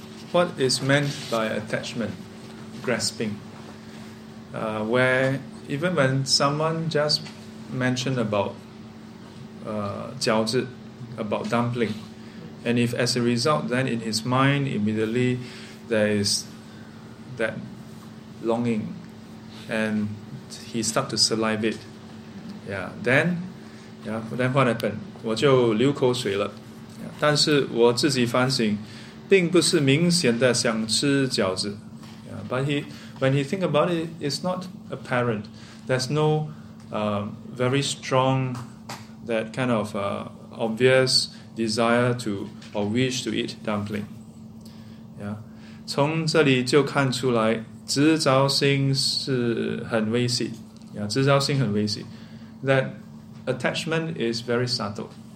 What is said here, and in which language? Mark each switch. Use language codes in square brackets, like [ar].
[en] what is meant by attachment, grasping, where even when someone just mentioned about jiaozi, about dumpling, and if as a result, then in his mind, immediately there is that longing, and he starts to salivate. Then what happened? [zh] 我就流口水了。但是我自己反省并不是明显的想吃饺子。 [en] But he, when he think about it, it's not apparent. There's no very strong, that kind of obvious desire to or wish to eat dumpling. [zh] 从这里就看出来 执着心很微细, [en] that attachment is very subtle.